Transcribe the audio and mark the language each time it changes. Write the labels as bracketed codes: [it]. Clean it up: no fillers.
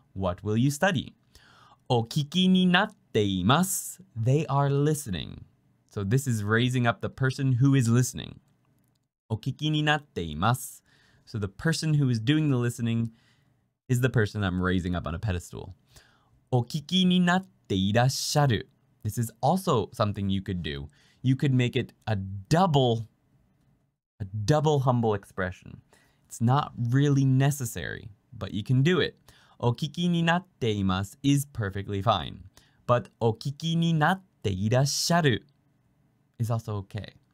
[en] What will you study? [ja] Okiki ni natte imasu. [en] They are listening. So, this is raising up the person who is listening. [ja] Okiki ni natte imasu. [en] So, the person who is doing the listening. Is the person I'm raising up on a pedestal. [ja] お聞きになっていらっしゃる. [en] This is also something you could do. You could make it a double humble expression. It's not really necessary, but you can do it. [ja] お聞きになっています [en] is perfectly fine. But [ja] お聞きになっていらっしゃる [en] is also okay.